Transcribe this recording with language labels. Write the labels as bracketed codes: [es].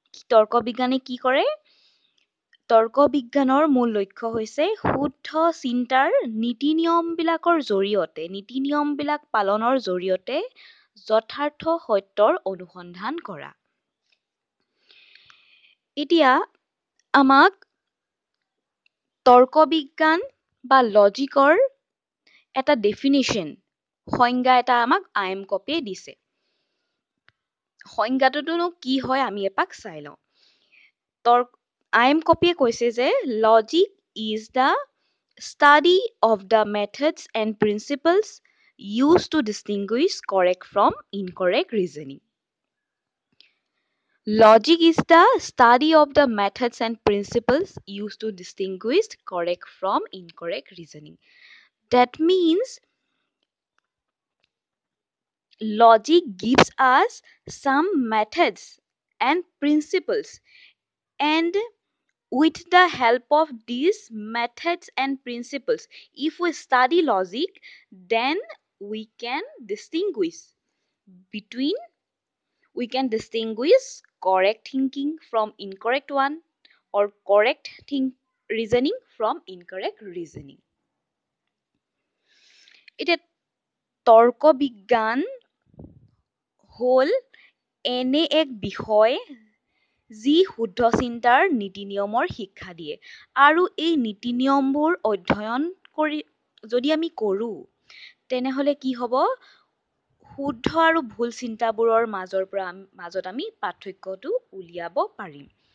[as] তর্ক বিজ্ঞানে কি কৰে? তর্ক বিজ্ঞানৰ মূল লক্ষ্য হৈছে শুদ্ধ চিন্তাৰ নীতি নিয়মবিলাকৰ জৰিয়তে, নীতি নিয়মবিলাক পালনৰ জৰিয়তে যথার্থ সত্যৰ অনুসন্ধান কৰা। এতিয়া আমাক তর্ক বিজ্ঞান বা লজিকৰ এটা ডেফিনিশন, সংজ্ঞা এটা আমাক আইএম কপিয়ে দিছে। সংজ্ঞাটোনো কি হয় আমি এপাক চাই লওঁ। আইএম কপিয়ে কৈছে যে [en] Logic is the study of the methods and principles use to distinguish correct from incorrect reasoning. Logic is the study of the methods and principles use to distinguish correct from incorrect reasoning. That means logic gives us some methods and principles, and with the help of these methods and principles, if we study logic, then we can distinguish between, we can distinguish correct thinking from incorrect one, or correct reasoning from incorrect reasoning. [as] এতিয়া তর্ক বিজ্ঞান হল এনে এক বিষয় যি শুদ্ধ চিন্তাৰ নীতি নিয়মৰ শিক্ষা দিয়ে, আৰু এই নীতি নিয়মবোৰ অধ্যয়ন কৰি যদি আমি কৰোঁ তেনেহ'লে কি হ'ব, শুদ্ধ আৰু ভুল চিন্তাবোৰৰ মাজৰ পৰা মাজত আমি পাৰ্থক্যটো উলিয়াব পাৰিম।